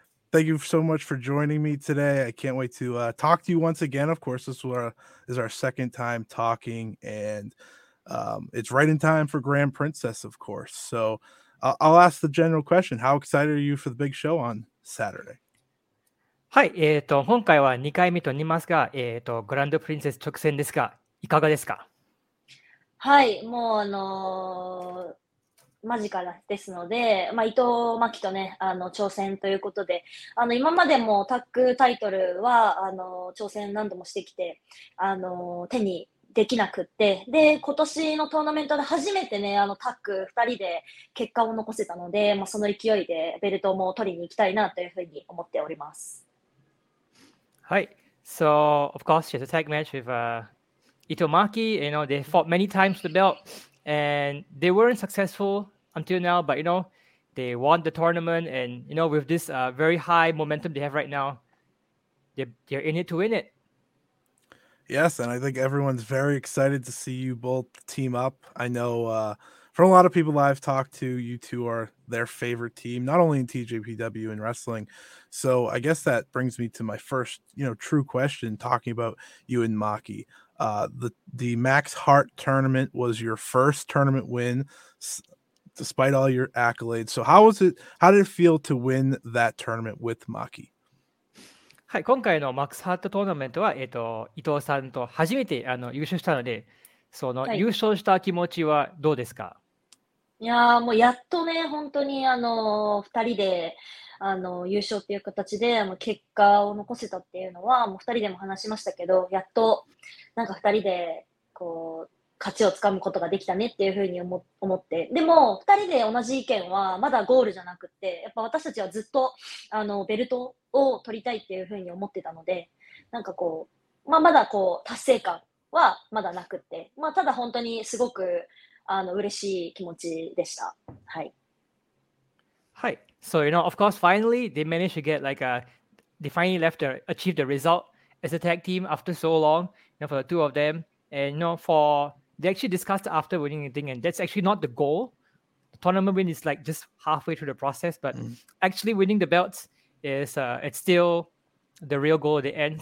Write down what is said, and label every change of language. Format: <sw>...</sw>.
<en>Thank you so much for joining me today. I can't wait to talk to you once again. Of course, this is our second time talking, and it's right in time for Grand Princess, of course. So I'll ask the general question. How excited are you for the big show on Saturday?</en> <ja>はい、今回は2回目となりますが、グランドプリンセス直線ですが、いかがですか？はい、もう間近ですので、まあ、伊藤真希とね、挑戦ということで、今までもタッグタイトルは挑戦何度もしてきて、手にできなくって、で今年のトーナメントで初めてね、タッグ2人で結果を残せたので、まあ、その勢いでベルトも取りに行きたいなというふうに思っております。はい、</ja> <en>So of course it's a tag match with Ito Maki. You know, they fought many times the belt and they weren't successful until now, but you know, they won the tournament and you know, with this very high momentum they have right now, they're in it to win it. Yes, and I think everyone's very excited to see you both team up. I know for a lot of people I've talked to, you two are their favorite team, not only in TJPW and wrestling. So I guess that brings me to my first, you know, true question, talking about you and Maki. The Max Hart tournament was your first tournament win, despite all your accolades. So how was it? How did it feel to win that tournament with Maki?</en> <ja>はい、今回のマックスハートトーナメントは、伊藤さんと初めて優勝したので、その、はい、優勝した気持ちはどうですか？いやー、もうやっとね、本当に2人で優勝っていう形で結果を残せたっていうのは、もう2人でも話しましたけど、やっとなんか2人でこう勝ちをつかむことができたねっていうふうに思って、でも2人で同じ意見はまだゴールじゃなくて、やっぱ私たちはずっとベルトを取りたいっていうふうに思ってたので、なんかこう、まあ、まだこう達成感はまだなくって、まあ、ただ本当にすごく嬉しい気持ちでした。はい、はい、</ja> <en>So you know, of course, finally they managed to get like a they finally left to achieve the result as a tag team after so long, you know, for the two of them. And you know, for they actually discussed after winning the thing, and that's actually not the goal. The tournament win is like just halfway through the process, but actually winning the belts is it's still the real goal at the end.</en>